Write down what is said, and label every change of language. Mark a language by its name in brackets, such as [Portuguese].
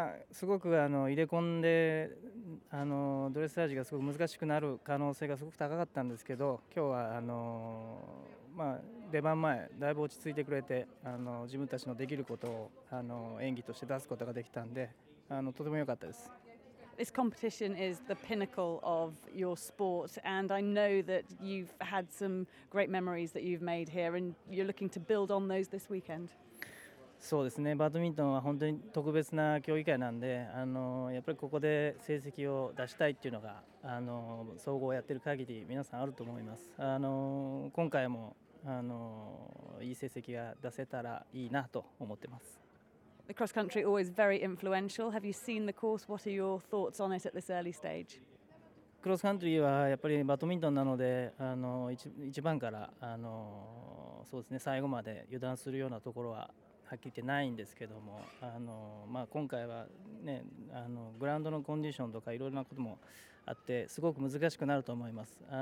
[Japanese] すごく入れ込んでドレッサージがすごく難しくなる可能性がすごく高かったんですけど、今日は出番前だいぶ落ち着いてくれて、自分たちのできることを演技として出すことができたんで、とても良かったです。 [English] This competition is the pinnacle of your sport, and I know that you've had some great memories that you've made here, and you're looking to build on those this weekend. [Japanese] そうですね、バドミントンは本当に特別な競技会なんで、やっぱりここで成績を出したいっていうのが総合をやってる限り皆さんあると思います。今回もいい成績が出せたらいいなと思ってます。 [English] The cross country always very influential. Have you seen the course? What are your thoughts on it at this early stage? [Japanese] クロスカントリーはやっぱりバドミントンなので、一番からそうですね、最後まで油断するようなところははっきり言ってないんですけども、今回はね、グラウンドのコンディションとかいろいろなこともあって、すごく難しくなると思います。